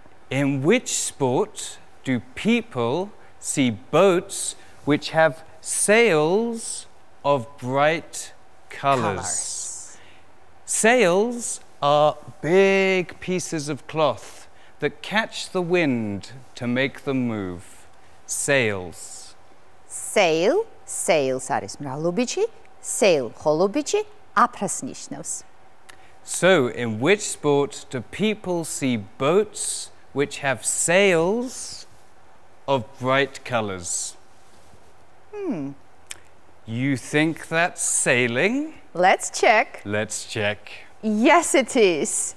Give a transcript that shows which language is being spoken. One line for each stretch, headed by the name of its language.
English: In which sport do people see boats which have sails of bright colors? Sails are big pieces of cloth that catch the wind to make them move. Sails. Sail, sails
Georgian: არის მრავლობიჩი, sail ხოლობიჩი, აფრას ნიშნავს.
English: So, in which sport do people see boats which have sails of bright colors? You think that's sailing? Let's check. Let's check. Yes, it is.